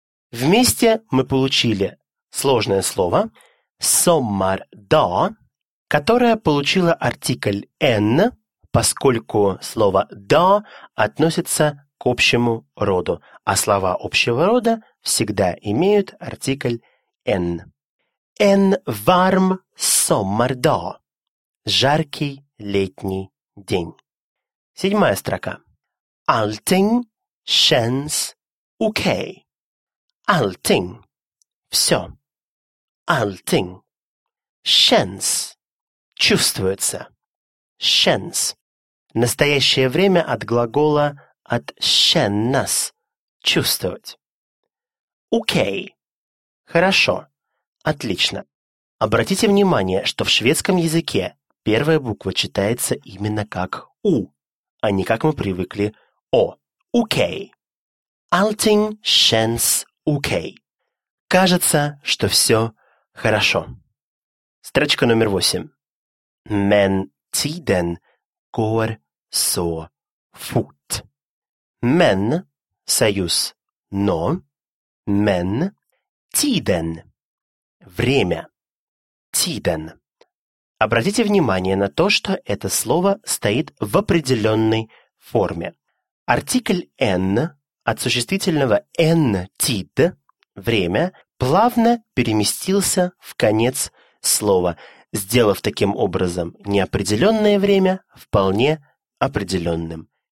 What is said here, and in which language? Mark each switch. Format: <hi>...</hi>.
<ru>Вместе мы получили сложное слово «sommardag», которое получило артикль «n», поскольку слово «dag» относится к общему роду, а слова общего рода всегда имеют артикль «n».</ru> <sv>«En varm sommardag»</sv> <ru>– «жаркий летний день». Седьмая строка.</ru> <sv>«Allting känns okej». Allting. Все. Allting. Känns. Чувствуется. Känns.</sv> <ru>Настоящее время от глагола от kännas. Чувствовать. Okay. Хорошо. Отлично. Обратите внимание, что в шведском языке первая буква читается именно как «у», а не как мы привыкли «о».</ru> <sv>Okay. Allting känns okay.</sv> <ru>Кажется, что все хорошо. Строчка номер 8.</ru> <sv>Men tiden går så fort.</sv> <ru>Men – союз «но».</ru> <sv>Men – tiden – время. Tiden.</sv> <ru>Обратите внимание на то, что это слово стоит в определенной форме. Артикль «n» от существительного «n tid» – время – плавно переместился в конец слова, сделав таким образом неопределенное время вполне определенным.</ru>